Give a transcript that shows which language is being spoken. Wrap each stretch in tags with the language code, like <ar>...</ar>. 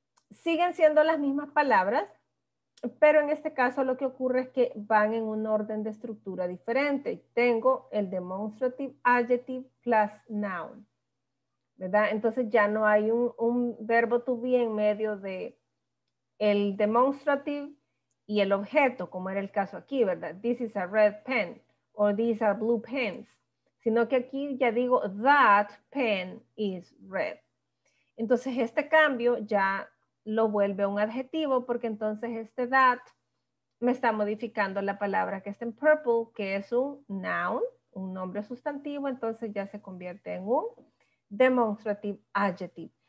<es>Siguen siendo las mismas palabras, pero en este caso lo que ocurre es que van en un orden de estructura diferente. Tengo el demonstrative adjective plus noun, ¿verdad? Entonces ya no hay un verbo to be en medio de el demonstrative y el objeto, como era el caso aquí, ¿verdad?</es> <en>This is a red pen, or these are blue pens.</en> <es>Sino que aquí ya digo,</es> <en>that pen is red.</en> <es>Entonces este cambio ya lo vuelve un adjetivo porque entonces este that me está modificando la palabra que está en purple, que es un noun, un nombre sustantivo, entonces ya se convierte en un demonstrative adjective.</es>